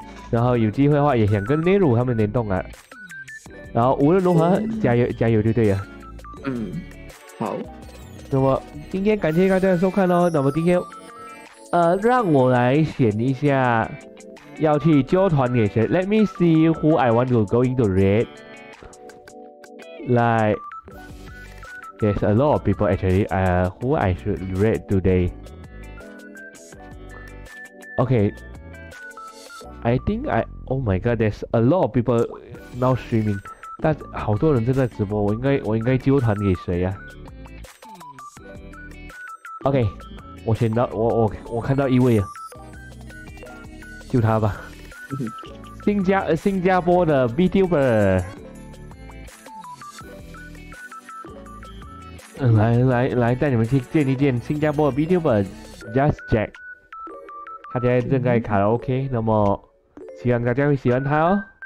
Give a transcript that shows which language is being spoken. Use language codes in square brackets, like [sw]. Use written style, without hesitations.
[zh] 然后有机会的话，也想跟 Neru 他们联动啊。然后无论如何，加油加油就对了。嗯，好。那么今天感谢大家的收看哦。那么今天，让我来选一下要去纠团给谁。 [en] Let me see who I want to go into raid. Like, there's a lot of people actually. Who I should raid today? Okay. I think I. Oh my god, there's a lot of people now streaming. [zh] 但好多人正在直播，我应该纠团给谁呀、啊、？OK， 我选到我看到一位了，就他吧。新加坡的 VTuber， 来带你们去见一见新加坡的 VTuber Just Jack， 他现在正在卡拉 OK， 那么希望大家会喜欢他哦。